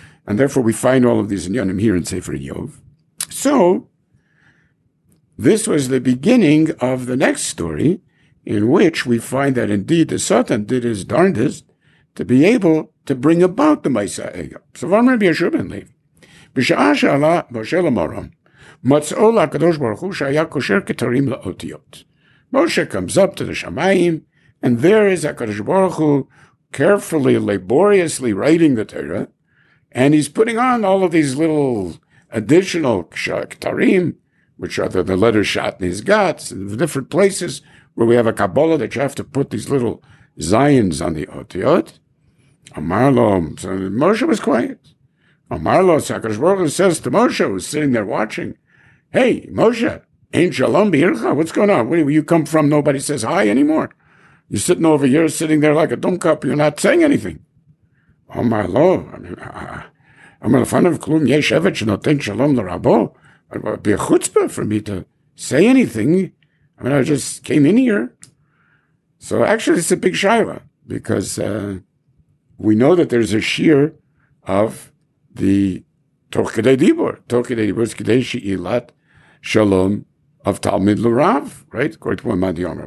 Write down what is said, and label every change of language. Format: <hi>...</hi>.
<en>And therefore, we find all of these in Yonim here in Sefer Eov. So, this was the beginning of the next story in which we find that indeed the Satan did his darndest to be able to bring about the Maaseh Ego. So, Avraham Rabbi Yehoshua ben Levi.</en> <he>בשעה שעלה משה למרום, מצאו לקדוש ברוך הוא שהיה קושר כתרים לאותיות.</he> <en>משה comes up to the שמיים, and there is הקדוש ברוך הוא carefully, laboriously writing the Torah, and he's putting on all of these little additional כתרים, which are the letters shot in his guts, in different places where we have a Kabbalah that you have to put these little zions on the אותיות. אמר לו, so משה was quiet. אמר לו, הקדוש ברוך הוא says to Moshe, who's sitting there watching, hey, Moshe,</en> <he>אין שלום בעירך?</he> <en>What's going on? Where do you come from? Nobody says hi anymore. You're sitting over here, sitting there like a dumb cup. You're not saying anything.</en> <he>אמר לו, אמר לפניו כלום, יש עבד שנותן שלום לרבו,</he> <en>be a chutzpah for me to say anything. I mean, I just came in here. So actually, it's a big shaila, because we know that there's a shear of the Toch Kedei Dibur. Toch Kedei Dibur is Kedei She'ilat Shalom of Talmid L'Rav, right? According to Maimon D'Omer.</en>